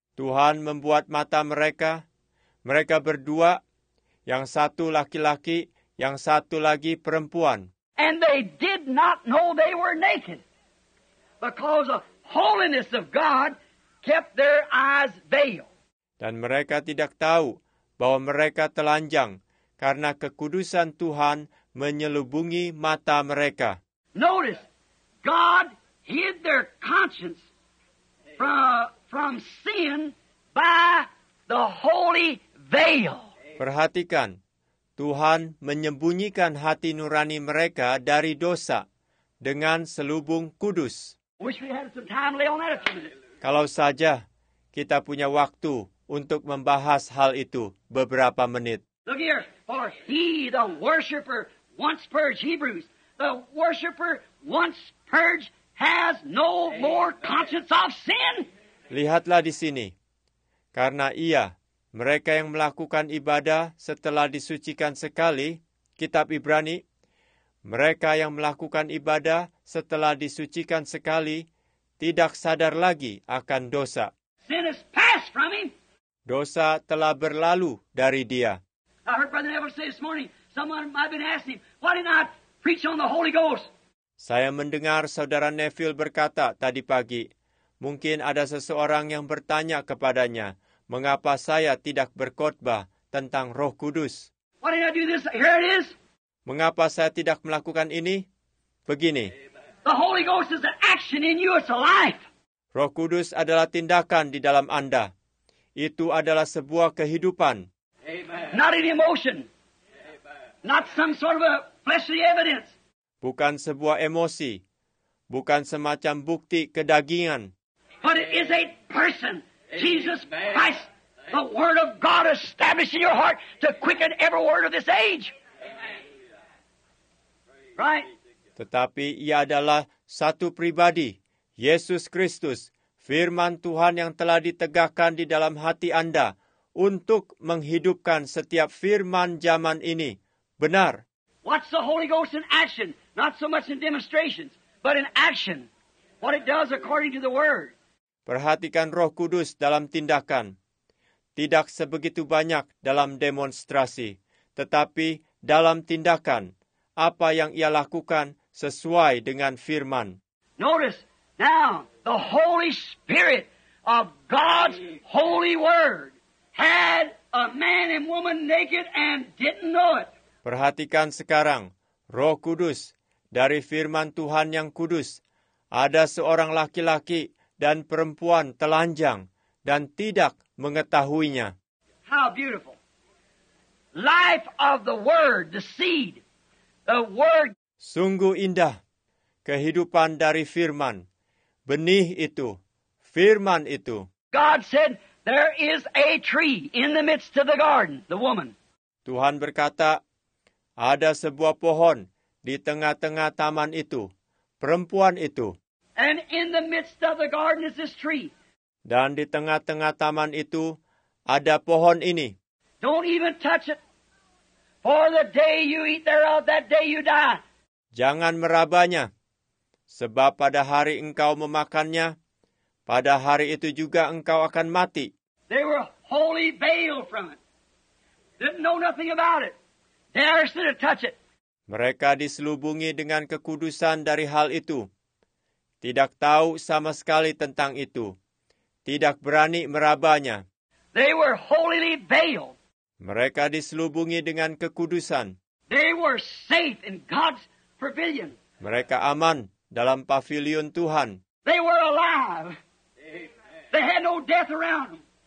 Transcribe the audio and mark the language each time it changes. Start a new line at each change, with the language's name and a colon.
Indonesian: Tuhan membuat mata mereka. Mereka berdua, yang satu laki-laki, yang satu lagi perempuan.
English: And they did not know they were naked. Because the holiness of God kept their eyes veiled.
Indonesian: Dan mereka tidak tahu bahwa mereka telanjang. Karena kekudusan Tuhan menyelubungi mata mereka.
English: Notice, God hid their conscience from sin by the holy veil.
Indonesian: Perhatikan, Tuhan menyembunyikan hati nurani mereka dari dosa dengan selubung kudus.
English: Wish we had some time to lay on that a few minutes.
Indonesian: Kalau saja kita punya waktu untuk membahas hal itu beberapa menit.
English: Look here, for he, the worshiper, once purged, Hebrews, the worshiper, once purged, has no more conscience of sin.
Indonesian: Lihatlah di sini, karena ia, mereka yang melakukan ibadah setelah disucikan sekali, kitab Ibrani, mereka yang melakukan ibadah setelah disucikan sekali, tidak sadar lagi akan dosa.
English: Sin is passed from him.
Indonesian: Dosa telah berlalu dari dia.
English: I heard Brother Neville say this morning, someone might have been asking him, why did not preach on the Holy Ghost?
Indonesian: Saya mendengar Saudara Neville berkata tadi pagi, mungkin ada seseorang yang bertanya kepadanya, mengapa saya tidak berkhotbah tentang Roh Kudus?
English: Why did not do this? Here it is.
Indonesian: Mengapa saya tidak melakukan ini? Begini.
English: The Holy Ghost is the action in you, it's a life.
Indonesian: Roh Kudus adalah tindakan di dalam Anda. Itu adalah sebuah kehidupan.
English: Amen. Not an emotion. Not some sort of a fleshly evidence.
Indonesian: Bukan sebuah emosi. Bukan semacam bukti kedagingan.
English: But it is a person. Jesus Christ. The word of God established in your heart to quicken every word of this age. Right?
Indonesian: Tetapi ia adalah satu pribadi, Yesus Kristus, firman Tuhan yang telah ditegakkan di dalam hati Anda untuk menghidupkan setiap firman zaman ini. Benar.
English: What's the Holy Ghost in action? Not so much in demonstrations, but in action. What it does according to the word.
Indonesian: Perhatikan Roh Kudus dalam tindakan. Tidak sebegitu banyak dalam demonstrasi, tetapi dalam tindakan. Apa yang ia lakukan sesuai dengan firman.
English: Notice now the Holy Spirit of God's holy word had a man and woman naked and didn't know it.
Indonesian: Perhatikan sekarang, Roh Kudus dari firman Tuhan yang kudus, ada seorang laki-laki dan perempuan telanjang dan tidak mengetahuinya.
English: How beautiful. Life of the word, the seed, the word.
Indonesian: Sungguh indah kehidupan dari firman. Benih itu, firman itu.
English: God said there is a tree in the midst of the garden, the woman.
Indonesian: Tuhan berkata, ada sebuah pohon di tengah-tengah taman itu, perempuan itu.
English: And in the midst of the garden is this tree.
Indonesian: Dan di tengah-tengah taman itu ada pohon ini.
English: Don't even touch it. For the day you eat thereof, that day you die.
Indonesian: Jangan merabanya, sebab pada hari engkau memakannya, pada hari itu juga engkau akan mati.
English: They were wholly veiled from it. Didn't know nothing about it. Dare to touch it.
Indonesian: Mereka diselubungi dengan kekudusan dari hal itu. Tidak tahu sama sekali tentang itu. Tidak berani merabanya.
English: They were wholly veiled.
Indonesian: Mereka diselubungi dengan kekudusan.
English: They were safe in God's pavilion.
Indonesian: Mereka aman dalam pavilion Tuhan.
English: They were alive. They had no death around them.